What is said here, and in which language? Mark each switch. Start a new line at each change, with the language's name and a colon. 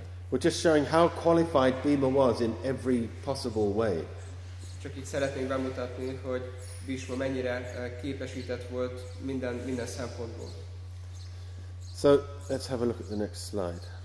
English: we're just showing how qualified Bhima was in every possible way.
Hungarian: Csak itt szeretnénk bemutatni, hogy Bhishma mennyire képesített volt minden szempontból.
English: So let's have a look at the next slide.